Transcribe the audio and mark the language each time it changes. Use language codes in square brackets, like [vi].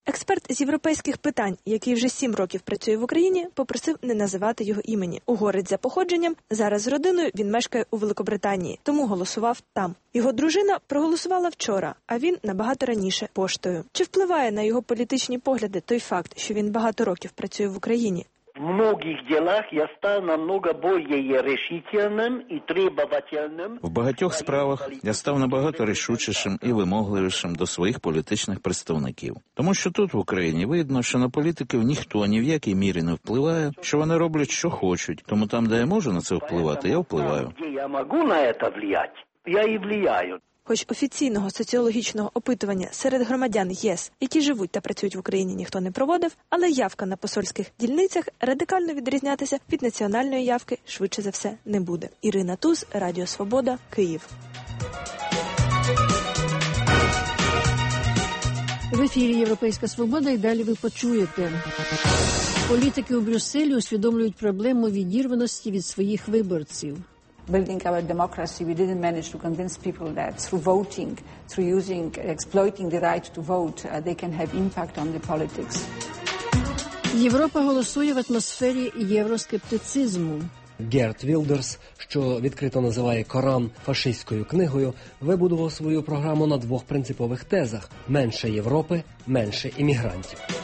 [uk] Експерт з європейських питань, який вже 7 років працює в Україні, попросив не називати його імені. Угорець за походженням, зараз з родиною він мешкає у Великобританії, тому голосував там. Його дружина проголосувала вчора, а він набагато раніше поштою. Чи впливає на його політичні погляди той факт, що він багато років працює в Україні? [ru] В многих делах я став намного более решительным и требовательным. [uk] В багатьох справах я став набагато рішучішим і вимогливішим до своїх політичних представників. Тому що тут, в Україні, видно, що на політиків ніхто ні в якій мірі не впливає, що вони роблять, що хочуть. Тому там, де я можу на це впливати, я впливаю. Я можу на це впливати, я і впливаю. Хоч офіційного соціологічного опитування серед громадян ЄС, які живуть та працюють в Україні, ніхто не проводив, але явка на посольських дільницях радикально відрізнятися від національної явки швидше за все не буде. Ірина Туз, Радіо Свобода, Київ. В ефірі «Європейська свобода» і далі ви почуєте. Політики у Брюсселі усвідомлюють проблему відірваності від своїх виборців. [en] Building our democracy, we didn't manage to convince people that through voting, through using, exploiting the right to vote, they can have impact on the politics. [uk] Європа голосує в атмосфері євроскептицизму. Герт Вілдерс, що відкрито називає Коран фашистською книгою, вибудував свою програму на двох принципових тезах – менше Європи, менше іммігрантів.